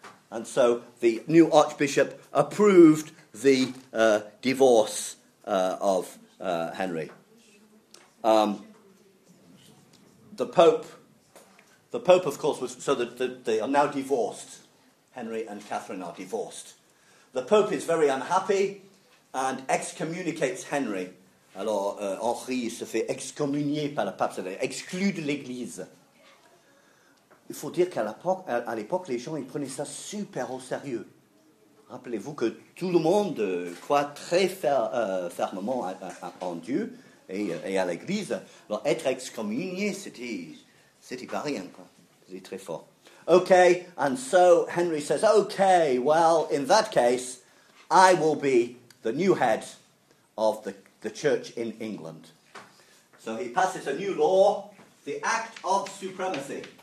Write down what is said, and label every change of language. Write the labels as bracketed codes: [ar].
[en] And so the new Archbishop approved the divorce of Henry. The Pope, of course, was so that they are now divorced. Henry and Catherine are divorced. The Pope is very unhappy and excommunicates Henry. [fr] Alors, Henri se fait excommunier par le pape, c'est-à-dire exclu de l'Église. Il faut dire qu'à l'époque, les gens, ils prenaient ça super au sérieux. Rappelez-vous que tout le monde croit très fermement en Dieu et à l'Église. Alors, être excommunié, c'était pas rien, quoi. C'était très fort. [en] OK, and so Henry says, OK, well, in that case, I will be the new head of the church in England. So he passes a new law, the Act of Supremacy.